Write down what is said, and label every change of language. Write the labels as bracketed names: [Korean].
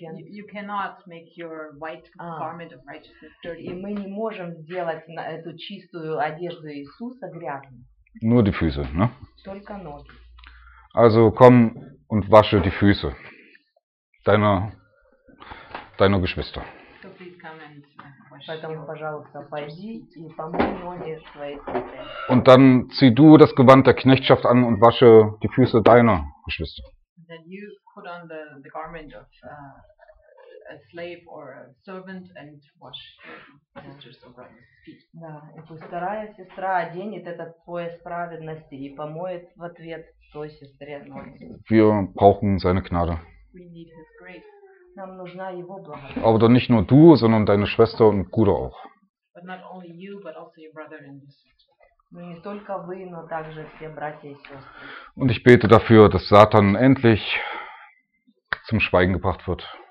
[English] You cannot make your white garment of righteousness dirty. [Russian] И мы не можем сделать эту чистую одежду Иисуса грязной. [German] Nur die Füße, ne? [Russian] Только ноги. [German] Also komm und wasche die Füße deiner Geschwister. [English] So please come and wash. [Russian] Поэтому, пожалуйста, пойди и помой ноги своей сестры. [German] Und dann zieh du das Gewand der Knechtschaft an und wasche die Füße deiner Geschwister. [English] Then you put on the garment of a slave or a servant and wash your sister's or brother's feet. [Russian] Да, и пусть вторая сестра оденет этот пояс праведности и помоет в ответ той сестре ноги. [German] Wir brauchen seine Gnade. [English] We need his grace. [Russian] Нам нужна его благодать. [German] Aber dann nicht nur du, sondern deine Schwester und Bruder auch. [English] But not only you, but also your brother and your sister. [Russian] Ну, не только вы, но также все братья и сестры. [German] Und ich bete dafür, dass Satan endlich zum Schweigen gebracht wird.